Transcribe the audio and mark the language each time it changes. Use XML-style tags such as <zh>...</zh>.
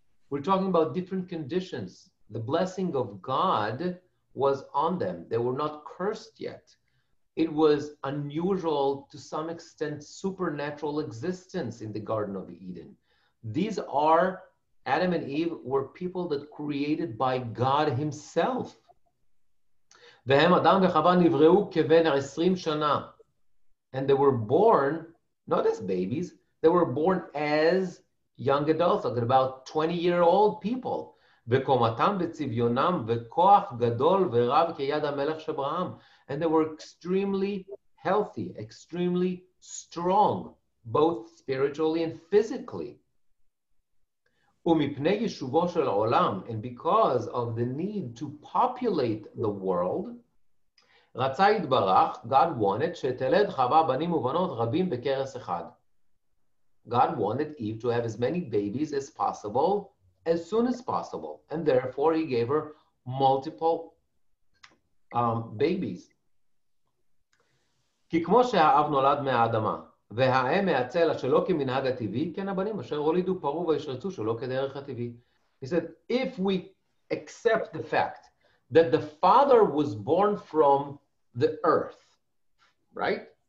<en>We're talking about different conditions. The blessing of God was on them. They were not cursed yet. it was unusual, to some extent, supernatural existence in the Garden of Eden. These are, Adam and Eve were people that created by God himself.</en> <he>והם אדם וחווה נבראו כבן 20 שנה.</he> <en>And they were born, not as babies, they were born as young adults, like about 20-year-old people.</en> <he>וקומתם וצביונם וכוח גדול ורב כיד המלך שבראם.</he> <en>And they were extremely healthy, extremely strong, both spiritually and physically.</en> <he>ומפני ישובו של עולם,</he> <en>and because of the need to populate the world,</en> <he>רצה יתברך,</he> <en>God wanted</en> <he>שתלד חווה בנים ובנות רבים בקרס אחד.</he> <en>God wanted Eve to have as many babies as possible, as soon as possible, and therefore he gave her multiple babies.</en> <he>כי כמו שהאב נולד מהאדמה, והאם מהצלע שלא כמנהג הטבעי, כן הבנים אשר הולידו פרו וישרצו שלא כדרך הטבעי.</he> <en>He said, if we accept the fact that the father was born from the earth, right?</en>